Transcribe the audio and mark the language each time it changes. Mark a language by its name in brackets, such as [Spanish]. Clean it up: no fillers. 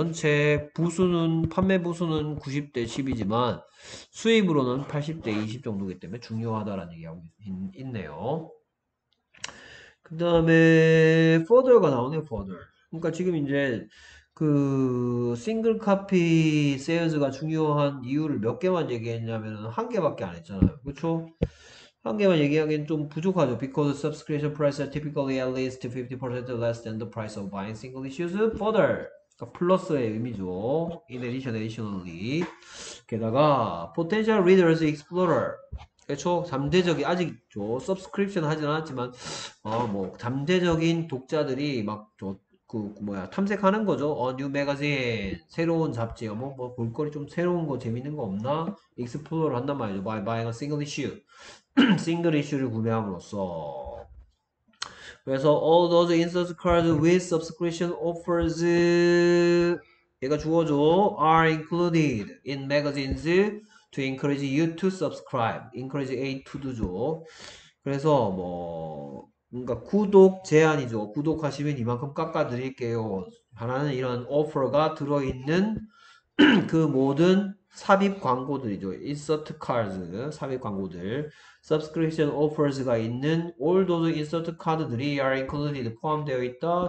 [Korean] 전체 부수는 판매 부수는 90대 10이지만 수입으로는 80대 20 정도이기 때문에 중요하다라는 얘기하고 있네요. 그 다음에 further가 나오네요. further. 그러니까 지금 이제 그 싱글 카피 세일즈가 중요한 이유를 몇 개만 얘기했냐면은 한 개밖에 안 했잖아요. 그쵸? 한 개만 얘기하기엔 좀 부족하죠. [English] Because subscription price are typically at least 50% less than the price of buying single issues further. [Korean] 플러스의 의미죠. [English] In addition, additionally. [Korean] 게다가 [English] potential readers explorer. [Korean] 그렇죠. 잠재적이 아직 저 서브스크립션 하진 않았지만 뭐 잠재적인 독자들이 막저 뭐야, 탐색하는 거죠. [English] A new magazine, [Korean] 새로운 잡지요. 뭐 볼거리 좀 새로운 거 재밌는 거 없나? [English] Explore를 [Korean] 한단 말이죠. [English] By buying a single issue, single issue를 [Korean] 구매함으로써. [English] 그래서 all those insert cards with subscription offers, [Korean] 얘가 주어줘, [English] are included in magazines to encourage you to subscribe. Encourage A to do죠. [Korean] 그래서 뭐 뭔가 구독 제한이죠. 구독하시면 이만큼 깎아드릴게요. 하라는 이런 오퍼가 들어있는 그 모든 삽입 광고들이죠. [English] Insert cards, [Korean] 삽입 광고들. [English] Subscription offers가 있는 all those insert cards들이 are included, [Korean] 포함되어 있다.